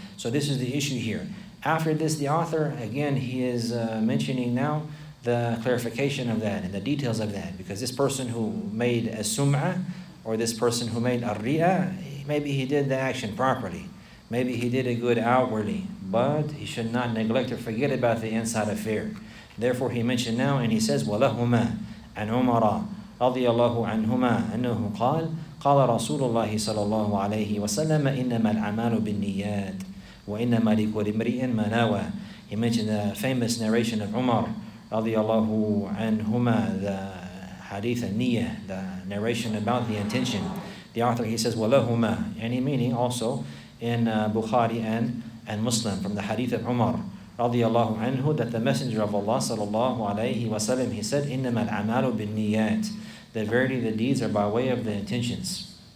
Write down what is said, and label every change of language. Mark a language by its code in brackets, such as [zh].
[en] So this is the issue here. After this, the author, again, he is mentioning now the clarification of that and the details of that, because this person who made a sum'a, or this person who made a ri'a, maybe he did the action properly, maybe he did it good outwardly, but he should not neglect or forget about the inside affair. Therefore, he mentioned now, and he says, [ar] وَلَهُمَا عَنْ عُمَرَى رَضِيَ اللَّهُ عَنْهُمَا أَنَّهُ قَالَ قَالَ رَسُولُ اللَّهِ صَلَى اللَّهُ عَلَيْهِ وَسَلَّمَ إِنَّمَا الْعَمَالُ بِالنِّيَّاتِ وَإِنَّمَا لِكُلِ امْرِئٍ مَا نَوَى. [en] He mentioned the famous narration of Umar radiallahu anhuma, the hadith al-niyyah, the narration about the intention. The author, he says, [ar] وَلَهُمَا, [en] any meaning also in Bukhari and Muslim, from the hadith of Umar radiallahu anhu, that the Messenger of Allah sallallahu alayhi wa sallam, he said, [ar] إِنَّمَا الْعَمَالُ بِالنِّيَّاتِ, [en] that verily the deeds are by way of the intentions.